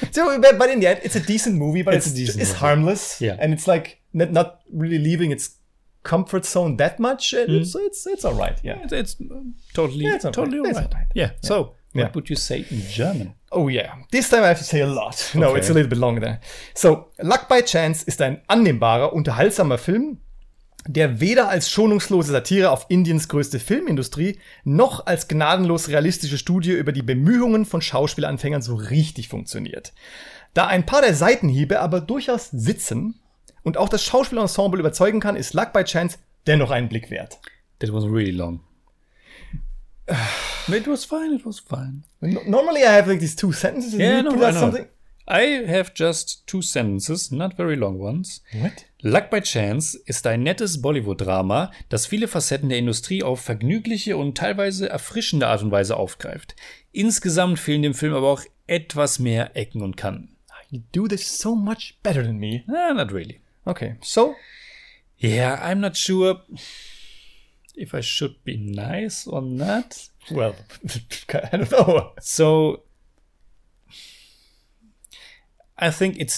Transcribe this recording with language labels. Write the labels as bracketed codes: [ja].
[en] But in the end, it's a decent movie, but it's harmless. Yeah. And it's like not really leaving its comfort zone that much. And so it's all right. Yeah. It's totally all right. Yeah. So what would you say in German? Oh, yeah. This time I have to say a lot. Okay. No, it's a little bit longer there. [de] So, Luck by Chance ist ein annehmbarer, unterhaltsamer Film, der weder als schonungslose Satire auf Indiens größte Filmindustrie noch als gnadenlos realistische Studie über die Bemühungen von Schauspielanfängern so richtig funktioniert. Da ein paar der Seitenhiebe aber durchaus sitzen und auch das Schauspielensemble überzeugen kann, ist Luck by Chance dennoch einen Blick wert. [en] That was really long. It was fine. Normally I have like these two sentences. Yeah, no, I know. I have just two sentences, not very long ones. What? [de] Luck by Chance ist ein nettes Bollywood-Drama, das viele Facetten der Industrie auf vergnügliche und teilweise erfrischende Art und Weise aufgreift. Insgesamt fehlen dem Film aber auch etwas mehr Ecken und Kanten. [en] You do this so much better than me. Nah, not really. Okay, so? Yeah, I'm not sure if I should be nice or not. Well, I don't know. So, I think it's